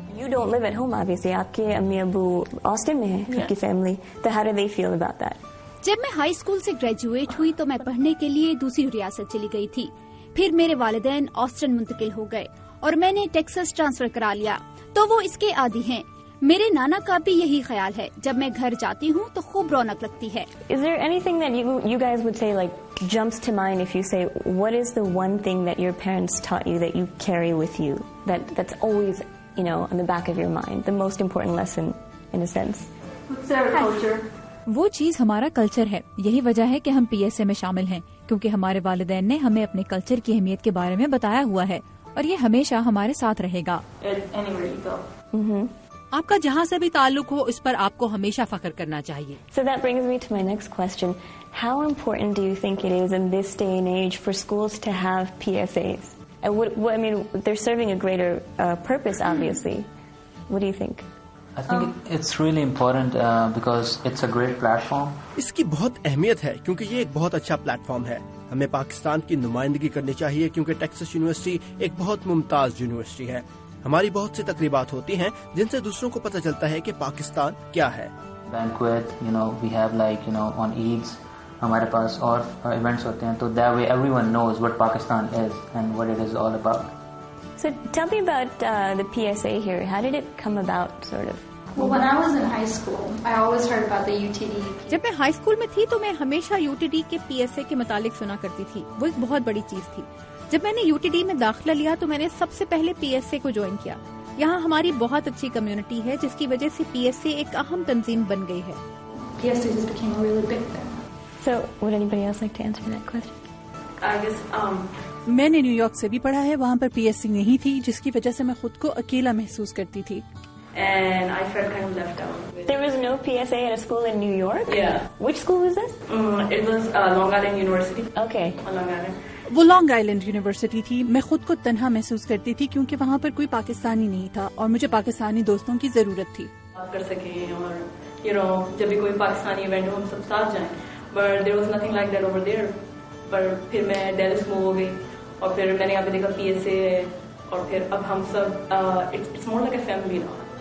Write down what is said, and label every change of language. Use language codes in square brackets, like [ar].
[en] you don't live at home obviously، [ur] آپ کے امی ابو آسٹن میں ہیں، آپ کی فیملی، تو [en] How do they feel about that? [ur] جب میں ہائی اسکول سے گریجویٹ ہوئی تو میں پڑھنے کے لیے دوسری ریاست چلی گئی تھی۔ پھر میرے والدین آسٹن منتقل ہو گئے اور میں نے ٹیکساس ٹرانسفر کرا لیا، تو وہ اس کے عادی ہیں۔ میرے نانا کا بھی یہی خیال ہے، جب میں گھر جاتی ہوں تو خوب رونق لگتی ہے۔ [en] Is there anything that you guys would say, like, jumps to mind if you say what is the one thing that your parents taught you that you carry with you, that that's always, you know, on the back of your mind, the most important lesson in a sense? What's our culture? [ur] وہ چیز ہمارا culture ہے، یہی وجہ ہے کہ ہم P S A میں شامل ہیں، کیونکہ ہمارے والدین نے ہمیں اپنے کلچر کی اہمیت کے بارے میں بتایا ہوا ہے، اور یہ ہمیشہ ہمارے ساتھ رہے گا۔ آپ کا جہاں سے بھی تعلق ہو، اس پر آپ کو ہمیشہ فخر کرنا چاہیے۔ [en] So that brings me to my next question. How important do you think it is in this day and age for schools to have PSAs? And what I mean, they're serving a greater purpose, obviously. What do you think? I think it's really important because it's a great platform. [ur] اس کی بہت اہمیت ہے کیونکہ یہ ایک بہت اچھا plate form ہے۔ ہمیں پاکستان کی نمائندگی کرنی چاہیے کیونکہ ٹیکساس یونیورسٹی ایک بہت ممتاز یونیورسٹی ہے۔ ہماری بہت سی تقریبات ہوتی ہیں جن سے دوسروں کو پتہ چلتا ہے کہ پاکستان کیا ہے۔ [en] Banquet, you know, we have like, you know, on Eids, [ur] ہمارے پاس اور ایونٹس ہوتے ہیں، تو [en] that way everyone knows what Pakistan is and what it is all about. So tell me about the PSA here. How did it come about, sort of? Well, when I was in high school, I always heard about the UTD. [ur] جب میں high school میں تھی تو میں ہمیشہ U T D کے P S A کے متعلق سنا کرتی تھی۔ وہ ایک بہت بڑی چیز تھی۔ جب میں نے یو ٹی ڈی میں داخلہ لیا تو میں نے سب سے پہلے پی ایس اے کو جوائن کیا۔ یہاں ہماری بہت اچھی کمیونٹی ہے، جس کی وجہ سے پی ایس اے ایک اہم تنظیم بن گئی ہے۔ میں نے نیو یارک سے بھی پڑھا ہے، وہاں پر پی ایس سی نہیں تھی، جس کی وجہ سے میں خود کو اکیلا محسوس کرتی تھی۔ [en] and I felt kind of left out. There was no PSA at a school in New York? Yeah. Which school was this? It was Long Island University. Okay. On Long Island. [ur] وہ long island university تھی. میں خود کو تنہا محسوس کرتی تھی کیونکہ وہاں پر کوئی پاکستانی نہیں تھا اور مجھے پاکستانی دوستوں کی ضرورت تھی کر سکیں, اور یو نو جب بھی کوئی پاکستانی ایونٹ ہو ہم سب ساتھ جائیں. [en] But there was nothing like that over there. [ur] پر پھر میں ڈیلس موو ہو گئی اور پھر میں نے یہاں پہ دیکھا پی ایس اے, اور پھر اب ہم سب [en] It's more like a family now.